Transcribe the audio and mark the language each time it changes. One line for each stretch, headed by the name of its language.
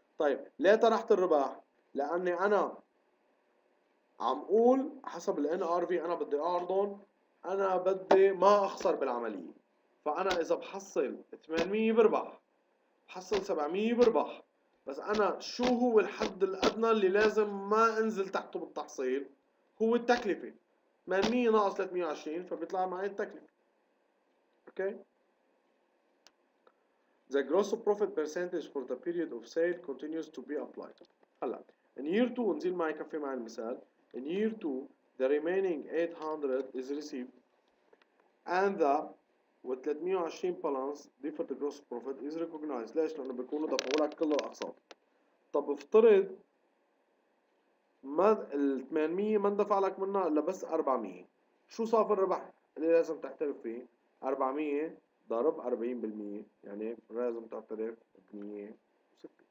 Arabic: طيب ليه طرحت الربح؟ لاني انا عم قول حسب ال NRV انا بدي اعرضهم انا بدي ما اخسر بالعمليه. فانا اذا بحصل 800 بربح بحصل 700 بربح. بس انا شو هو الحد الادنى اللي لازم ما انزل تحته بالتحصيل؟ هو التكلفه. 800 ناقص 320 فبيطلع معي التكلفه.
English: Okay? The gross profit percentage for the period of sale continues to be applied.
Arabic: هلا
English: in year 2
Arabic: انزل معي كفي معي المثال.
English: In year 2, the remaining 800 is received and the with 320 balance deferred gross profit is recognized.
Arabic: ليش؟ لأنه بيكونوا دفعوا لك كل الأقساط. طب افترض ما ال 800 ما اندفع لك منها إلا بس 400، شو صافي الربح اللي لازم تعترف فيه؟ 400 ضرب 40%، يعني لازم تعترف 106.